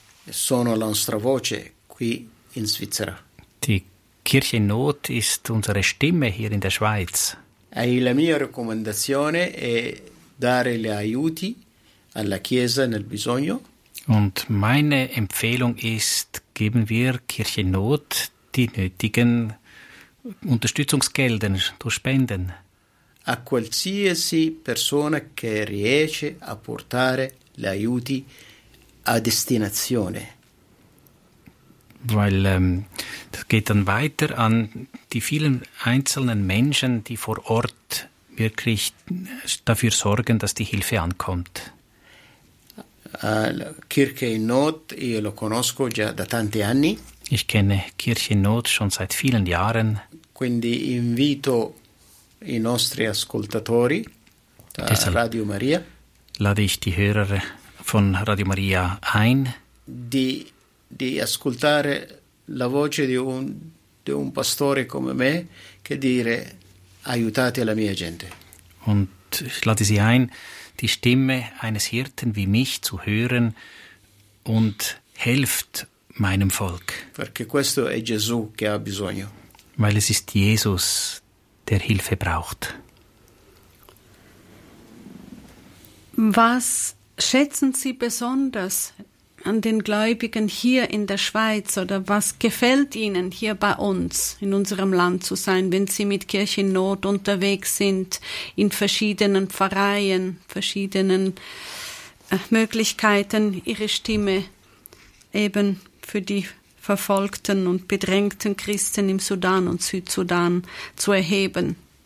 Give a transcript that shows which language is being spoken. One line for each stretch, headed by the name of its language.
Italian: Sono la nostra voce qui in Svizzera.
German: Die Kirche in Not ist unsere Stimme hier in der Schweiz.
Italian: E la mia raccomandazione è dare gli aiuti alla Chiesa nel bisogno.
German: Und meine Empfehlung ist, geben wir Kirche in Not die nötigen Unterstützungsgelder durch Spenden.
Italian: A qualsiasi persona che riesce a portare gli aiuti a destinazione.
German: Weil das geht dann weiter an die vielen einzelnen Menschen, die vor Ort wirklich dafür sorgen, dass die Hilfe ankommt.
Italian: Kirche in Not, io lo conosco già da tanti anni.
German: Ich kenne Kirche in Not schon seit vielen Jahren.
Italian: Quindi invito i nostri ascoltatori da Radio Maria.
German: Lade ich die Hörer von Radio Maria ein,
Italian: di ascoltare la voce di un pastore come me, che dire aiutate la mia gente.
German: Und ich lade sie ein, die Stimme eines Hirten wie mich zu hören und helft meinem Volk.
Italian: Perché questo è Gesù che ha bisogno.
German: Weil es ist Jesus, der Hilfe braucht. Was schätzen Sie besonders an den Gläubigen hier in der Schweiz oder was gefällt Ihnen hier bei uns, in unserem Land zu sein, wenn Sie mit Kirche in Not unterwegs sind, in verschiedenen Pfarreien, verschiedenen Möglichkeiten, Ihre Stimme eben für die verfolgten und bedrängten Christen im Sudan und Südsudan zu erheben?